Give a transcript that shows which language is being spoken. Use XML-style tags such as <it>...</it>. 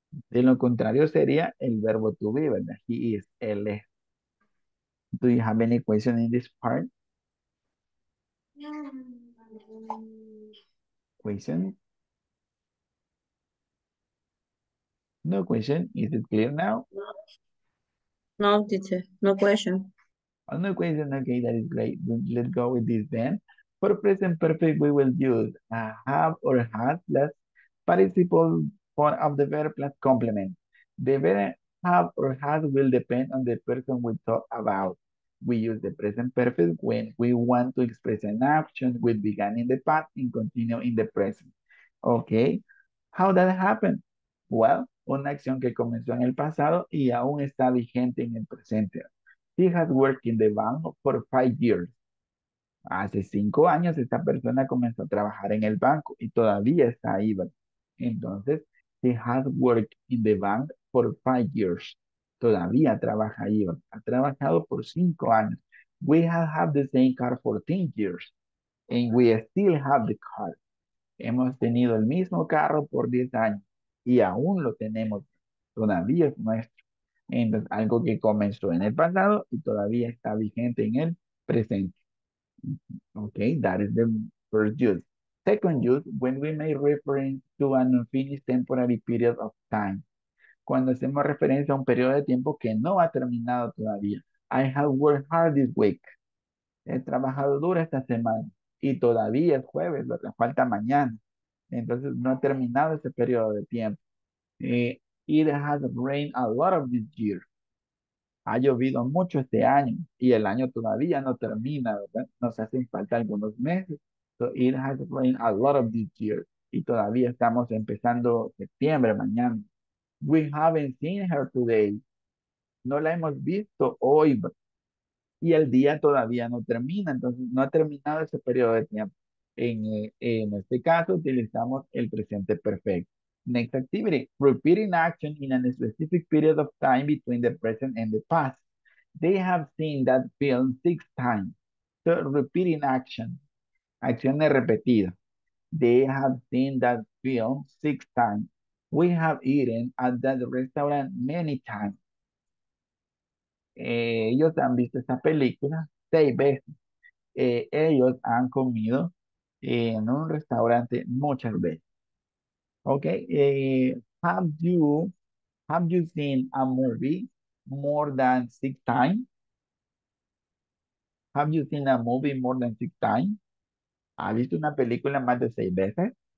<es>De lo contrario sería el verbo to be, ¿verdad?</es> <en>He is,</en> <es>él es.</es> <en>Do you have any question in this part? Question? No question. Is it clear now? No, teacher. No question. Oh, no question. Okay, that is great. Let's go with this then. For present perfect, we will use have or has plus participle form of the verb plus complement. The verb have or has will depend on the person we talk about. We use the present perfect when we want to express an action we began in the past and continue in the present. Okay. How that happen? Well,</en> <es>una acción que comenzó en el pasado y aún está vigente en el presente.</es> <en>She has worked in the bank for 5 years.</en> <es>Hace 5 años esta persona comenzó a trabajar en el banco y todavía está ahí. Entonces,</es> <en>she has worked in the bank for 5 years.</en> <es>Todavía trabaja ahí, ha trabajado por 5 años.</es> <en>We have had the same car for 10 years, and we still have the car.</en> <es>Hemos tenido el mismo carro por 10 años, y aún lo tenemos, todavía es nuestro. Entonces, algo que comenzó en el pasado, y todavía está vigente en el presente.</es> <en>Okay, that is the first use. Second use, when we make reference to an unfinished temporary period of time.</en> <es>Cuando hacemos referencia a un periodo de tiempo que no ha terminado todavía.</es> <en>I have worked hard this week.</en> <es>He trabajado duro esta semana. Y todavía es jueves, lo que falta mañana. Entonces, no ha terminado ese periodo de tiempo.</es> <en>It has rained a lot of this year.</en> <es>Ha llovido mucho este año. Y el año todavía no termina, ¿verdad? Nos hacen falta algunos meses.</es> <en>So, it has rained a lot of this year.</en> <es>Y todavía estamos empezando septiembre, mañana.</es> <en>We haven't seen her today.</en> <es>No la hemos visto hoy. Y el día todavía no termina. Entonces, no ha terminado ese periodo de tiempo. En este caso, utilizamos el presente perfecto.</es> <en>Next activity. Repeating action in a specific period of time between the present and the past. They have seen that film 6 times. So, repeating action.</en> <es>Acciones repetidas.</es> <en>They have seen that film 6 times. We have eaten at that restaurant many times.</en> <es>Ellos han visto esta película 6 veces. Ellos han comido en un restaurante muchas veces.</es> <en>Okay. Have you seen a movie more than 6 times? Have you seen a movie more than 6 times?</en> <es>¿Ha visto una película más de 6 veces?</es>